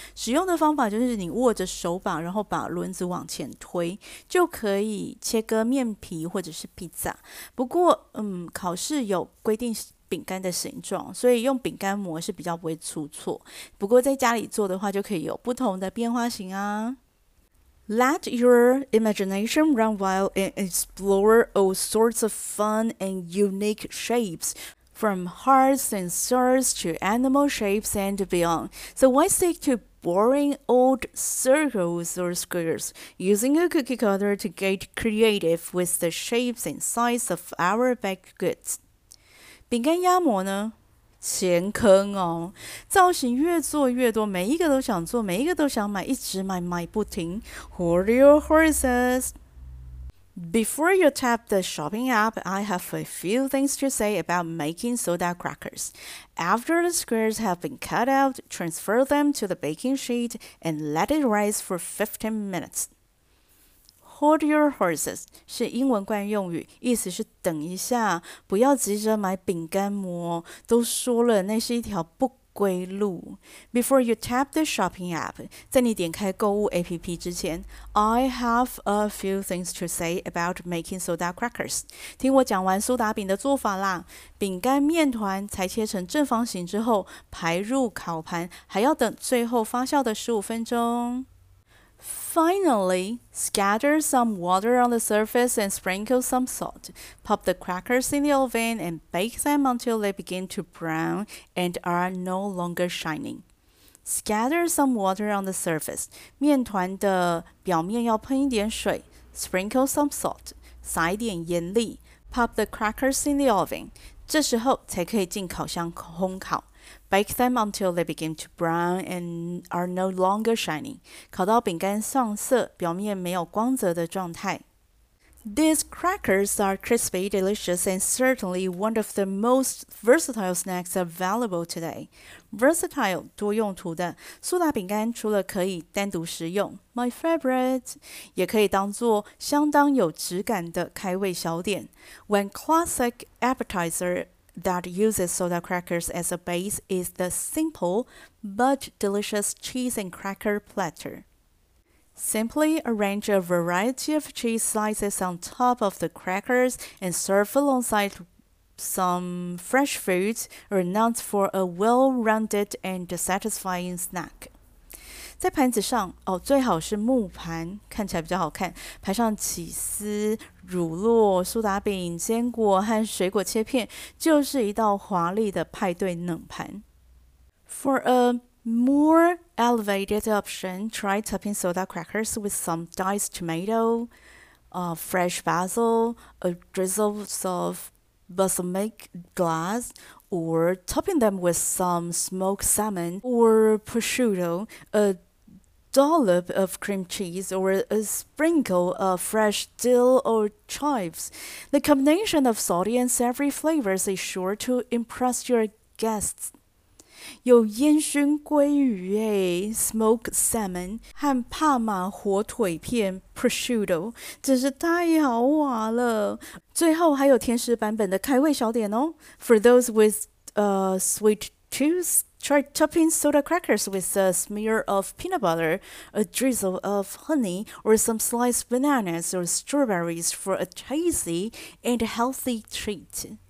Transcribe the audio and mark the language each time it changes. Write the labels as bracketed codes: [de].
[zh] 使用的方法就是你握着手把，然后把轮子往前推，就可以切割面皮或者是披萨。不过，考试有规定饼干的形状，所以用饼干模是比较不会出错。不过在家里做的话，就可以有不同的变化型啊。 [en] Let your imagination run wild and explore all sorts of fun and unique shapes, from hearts and stars to animal shapes and beyond. So why stick to boring old circles or squares? Using a cookie cutter to get creative with the shapes and size of our baked goods. [zh] 饼干压模呢？钱坑哦，造型越做越多，每一个都想做，每一个都想买，一直买，买不停。 [en] Hold your horses. Before you tap the shopping app, I have a few things to say about making soda crackers. After the squares have been cut out, transfer them to the baking sheet and let it rise for 15 minutes. Hold your horses [zh] 是英文惯用语，意思是等一下，不要急着买饼干膜，都说了那是一条不归路。 [en] Before you tap the shopping app, [zh] 在你点开购物 APP 之前， [en] I have a few things to say about making soda crackers. [zh] 听我讲完苏打饼的做法啦。饼干面团裁切成正方形之后，排入烤盘，还要等最后发酵的15分钟。 [en] Finally, scatter some water on the surface and sprinkle some salt. Pop the crackers in the oven and bake them until they begin to brown and are no longer shining. Scatter some water on the surface. [zh] 面团的表面要喷一点水。 [en] Sprinkle some salt. [zh] 撒一点盐粒。 [en] Pop the crackers in the oven. [zh] 这时候才可以进烤箱烘烤。 [en] Bake them until they begin to brown and are no longer shining. [zh] 烤到饼干上色，表面没有光泽的状态。 [en] These crackers are crispy, delicious, and certainly one of the most versatile snacks available today. [zh] Versatile, 多用途的。苏打饼干除了可以单独食用 , [en] my favorite, [zh] 也可以当作相当有质感的开胃小点。 [en] When classic appetizer,that uses soda crackers as a base is the simple but delicious cheese and cracker platter. Simply arrange a variety of cheese slices on top of the crackers and serve alongside some fresh fruit or nuts for a well-rounded and satisfying snack. [zh] 在盘子上哦，最好是木盘，看起来比较好看。盘上起司、乳酪、苏打饼、坚果和水果切片，就是一道华丽的派对冷盘。 [en] For a more elevated option, try topping soda crackers with some diced tomato, fresh basil, a drizzle of balsamic glass. Or topping them with some smoked salmon or prosciutto, a dollop of cream cheese, or a sprinkle of fresh dill or chives. The combination of salty and savory flavors is sure to impress your guests. [zh] 有烟熏鲑鱼诶 ,smoked salmon, 和帕玛火腿片 prosciutto, 真是太豪华了。最后还有甜食版本的开胃小点哦。 [en] For those with a sweet tooth, try topping soda crackers with a smear of peanut butter, a drizzle of honey, or some sliced bananas or strawberries for a tasty and healthy treat.